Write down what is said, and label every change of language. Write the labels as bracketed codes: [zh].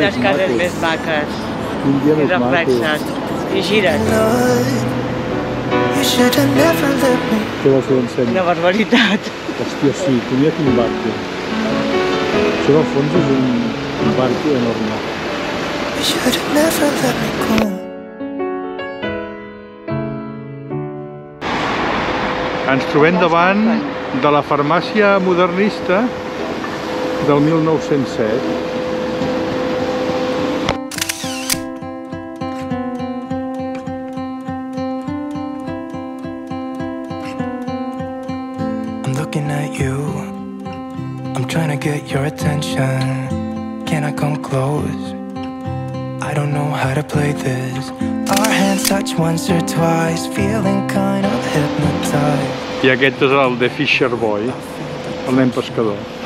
[ca] Quines cases més maques. Quin dia més maco. I reflexes. I gires. Què vols que l'ensenyi? Una barbaritat. Hòstia, sí, tenia aquí un barco. Això al fons és un barco enorme. [en] You should have never let me go. [ca] Ens trobem davant de la farmàcia modernista del 1907. [en] I'm looking at you, I'm trying to get your attention. Can I come close? I don't know how to play this. Our hands touch once or twice, feeling kind of hypnotized. [ca] I aquest és el The Fisher Boy, el nen pescador.